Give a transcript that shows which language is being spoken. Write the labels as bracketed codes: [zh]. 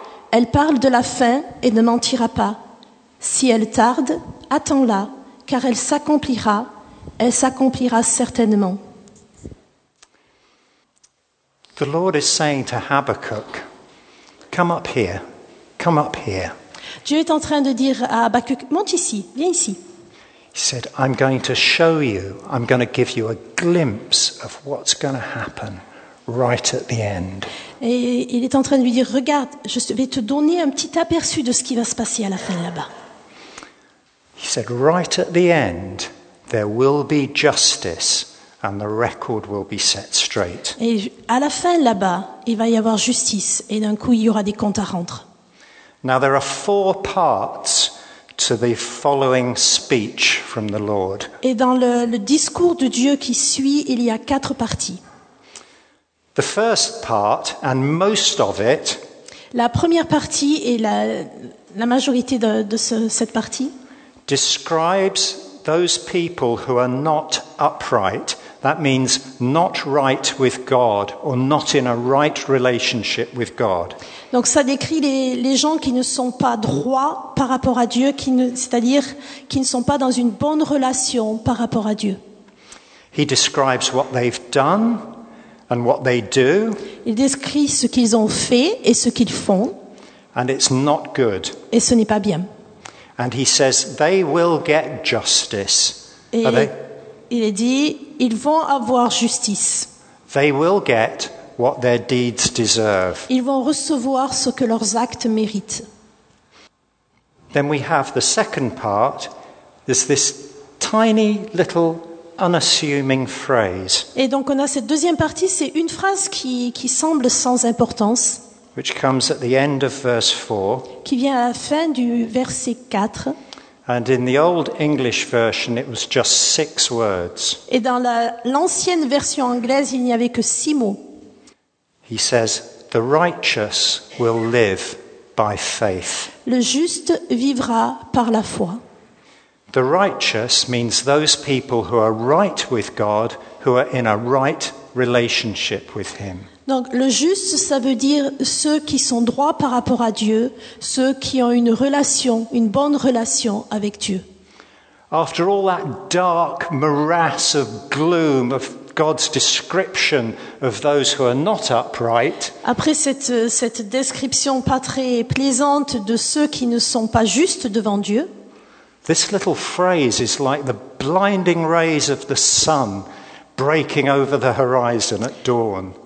[fr] Elle parle de la fin et ne mentira pas. Si elle tarde, attends-la, car elle s'accomplira. Elle s'accomplira certainement. [en] The Lord is saying to Habakkuk, come up here, come up here. [fr] Dieu est en train de dire à Habakkuk, monte ici, viens ici. [en] He said, I'm going to show you, I'm going to give you a glimpse of what's going to happen right at the end. [fr] Et il est en train de lui dire, regarde, je vais te donner un petit aperçu de ce qui va se passer à la fin là-bas. [en] He said, right at the end, there will be justice and the record will be set straight. [fr] Et à la fin là-bas, il va y avoir justice et d'un coup, il y aura des comptes à rendre. [en] Now, there are four parts to the following speech from the Lord. [fr] Et dans le discours de Dieu qui suit, il y a quatre parties. [en] The first part and most of it. [fr] La première partie et la majorité cette partie [en] describes those people who are not upright, That means not right with God or not in a right relationship with God. [fr] Donc ça décrit les gens qui ne sont pas droits par rapport à Dieu, c'est-à-dire qui ne sont pas dans une bonne relation par rapport à Dieu. [en] He describes what they've done and what they do. [fr] Il décrit ce qu'ils ont fait et ce qu'ils font. [en] And it's not good. [fr] Et ce n'est pas bien. [en] And he says they will get justice. [fr] Il dit ils vont avoir justice. [en] They will get what their deeds deserve. [fr] Ils vont recevoir ce que leurs actes méritent. [en] Then we have the second part. There's this tiny little unassuming phrase. [fr] Et donc on a cette deuxième partie, c'est une phrase qui semble sans importance. [en] Which comes at the end of verse 4. [fr] Qui vient à la fin du verset 4. [en] And in the old English version, it was just 6 words. [fr] Et dans l'ancienne version anglaise, il n'y avait que 6 mots. [en] He says, "The righteous will live by faith." [fr] Le juste vivra par la foi. [en] The righteous means those people who are right with God, who are in a right relationship with Him. [fr] Donc le juste, ça veut dire ceux qui sont droits par rapport à Dieu, ceux qui ont une relation, une bonne relation avec Dieu. [en] After all that dark morass of gloom of God's description of those who are not upright. [fr] Après cette description pas très plaisante de ceux qui ne sont pas justes devant Dieu. [en] This little phrase is like the blinding rays of the sun breaking over the horizon at dawn.